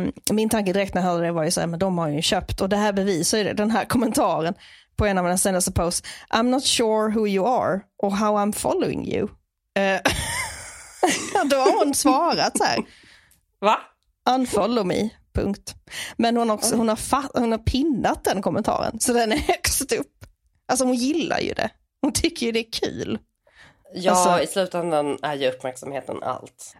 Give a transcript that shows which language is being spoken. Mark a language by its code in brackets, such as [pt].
[sv] Min tanke direkt när jag hörde det var ju så här, men de har ju köpt, och det här bevisar ju det, den här kommentaren på en av mina senaste posts. [en] I'm not sure who you are or how I'm following you. [sv] Ja, då har hon svarat så här. Va? Unfollow me, punkt. Men hon, också, hon har pinnat den kommentaren, så den är högst upp. Alltså hon gillar ju det. Hon tycker ju det är kul. Ja, alltså, i slutändan är ju uppmärksamheten allt.